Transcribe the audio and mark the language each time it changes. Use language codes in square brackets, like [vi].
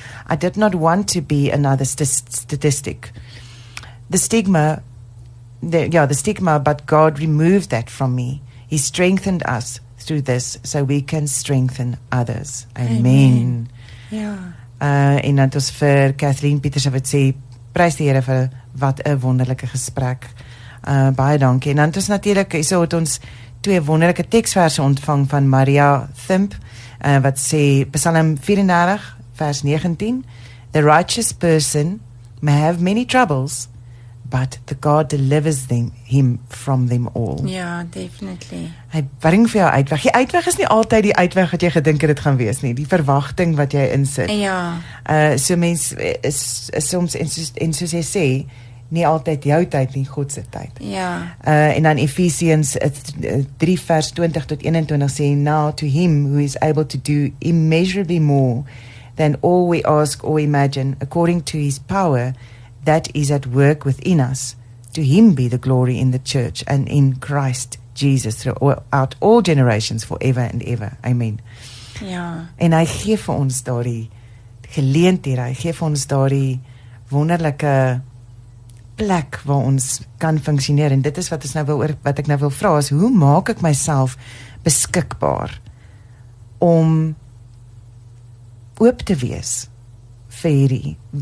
[en] I did not want to be another statistic. The stigma, but God removed that from me. He strengthened us through this so we can strengthen others." Amen. [af] Ja. En dan ons vir Kathleen Pieters wat sê, prys die Here vir wat 'n wonderlike gesprek. Baie dankie. En dan ons natuurlik hierso het ons 2 wonderlike teksverse ontvang van Maria Thimp wat sê Psalm 34 vers 19, [en] "The righteous person may have many troubles, but the God delivers them him from them all. Yeah, definitely. [af] Hy bring vir jou uitweg. Die uitweg is nie altyd die uitweg wat jy gedink het dit gaan wees nie. Die verwagting wat jy insit. Ja. So mens is soms en soos jy sê, nie altyd jou tyd nie, God se tyd. Ja. En dan Ephesians 3 vers 20 tot 21 sê, [en] now to him who is able to do immeasurably more than all we ask or imagine, according to his power that is at work within us, to him be the glory in the church and in Christ Jesus throughout all generations forever and ever. Amen. [af] Ja. En hy gee vir ons daardie geleentheid, hy gee vir ons daardie wonderlike plek waar ons kan funksioneer. En dit is wat, wat ek nou wil vra, is hoe maak ek myself beskikbaar om oop te wees vir hierdie.